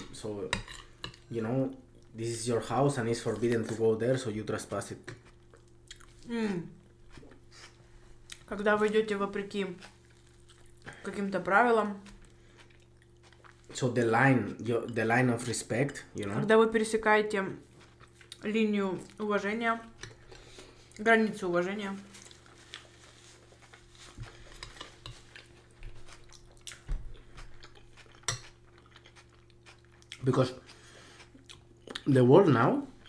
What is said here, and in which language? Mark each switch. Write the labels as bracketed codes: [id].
[en] So, you know, this is your house and it's forbidden to go there, so you trespass it. [ru] Когда вы идете вопреки каким-то правилам. [en] So the line, the line of respect, you know. [ru] Когда вы пересекаете линию уважения, границу уважения. [en] Because the world now.